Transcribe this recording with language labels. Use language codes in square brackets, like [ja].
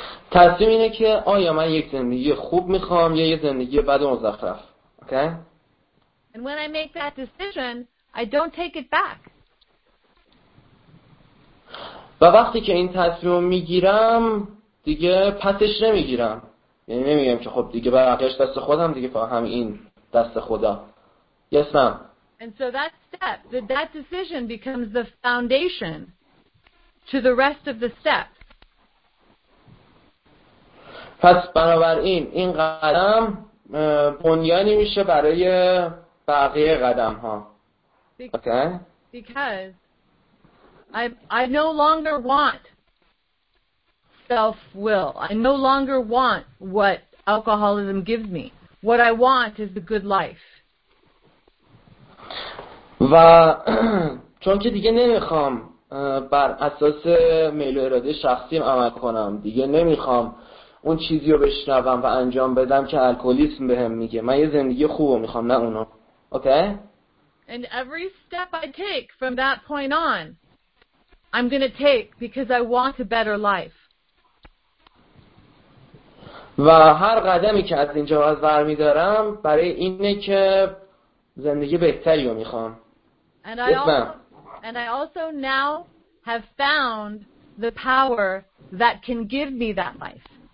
[fa] تصمیم اینه که آیا من یک زندگی خوب میخوام یا یک زندگی بد و مزخرف. [en] Okay? And when I make that decision, I don't take it back. [fa] و وقتی که این تصمیم رو میگیرم دیگه پسش نمیگیرم، یعنی نمیگم که خب دیگه بقیه‌اش دست خودم، دیگه فقط همین دست خدا. [en] Yes, ma'am. And so that step, that decision becomes the foundation to the rest of the steps. [fa] پس بنابراین این قدم بنیانی میشه برای بقیه قدم ها. [en] Okay? Because I no longer want self-will. I no longer want what alcoholism gives me. What I want is a good life. [fa] و چون که دیگه نمیخوام بر اساس میل و اراده شخصیم عمل کنم، دیگه نمیخوام اون چیزی رو بشنوم و انجام بدم که الکلیسم بهم میگه، من یه زندگی خوب رو میخوام نه اونو. [en] Okay? And every step I take from that point on, I'm going to take because I want a better life. [fa] و هر قدمی که از اینجا باز برمیدارم برای اینه که زندگی بهتری رو میخوام. [en] And I also now have found the power that can give me that life.